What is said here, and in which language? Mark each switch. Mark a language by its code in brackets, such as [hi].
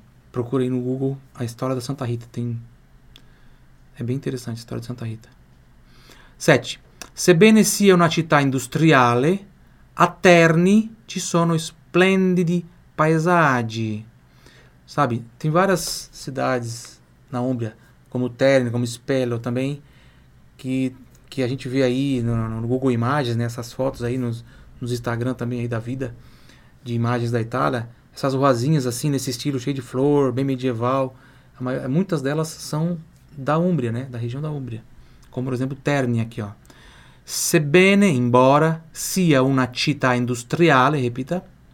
[pt] Procure aí no Google a história da Santa Rita. É bem interessante a história de Santa Rita. 7. [it] Sebbene sia una città industriale, a Terni ci sono splendidi paesaggi. [pt] Sabe, tem várias cidades na Úmbria, como Terni, como Spello também, que a gente vê aí no Google Imagens, né? Essas fotos aí nos Instagram também aí da vida, de imagens da Itália. Essas ruazinhas assim, nesse estilo, cheio de flor, bem medieval. Muitas delas são da Úmbria, né? Da região da Úmbria. Como, por exemplo, Terni aqui, ó. [it] Sebbene, [pt] embora, [it] sia una città industriale, [pt] repita.